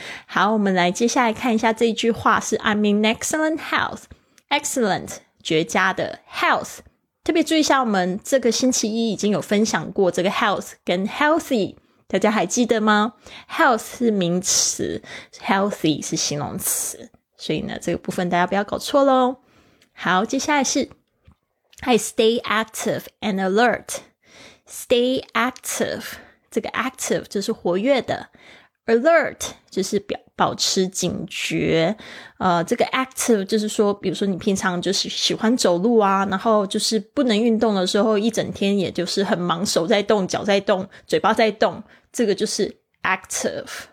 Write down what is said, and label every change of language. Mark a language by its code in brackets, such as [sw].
[zh] 好，我们来接下来看一下这一句话，是 [en] I'm in excellent health， [zh] excellent 绝佳的 health。特别注意一下，我们这个星期一已经有分享过这个 health 跟 healthy，大家还记得吗？ health 是名词， healthy 是形容词，所以呢这个部分大家不要搞错咯。好，接下来是 [en] I stay active and alert。 stay active， [zh] 这个 active 就是活跃的， alert 就是保持警觉。这个 active 就是说，比如说你平常就是喜欢走路啊，然后就是不能运动的时候，一整天也就是很忙，手在动，脚在动，嘴巴在动，这个就是 active。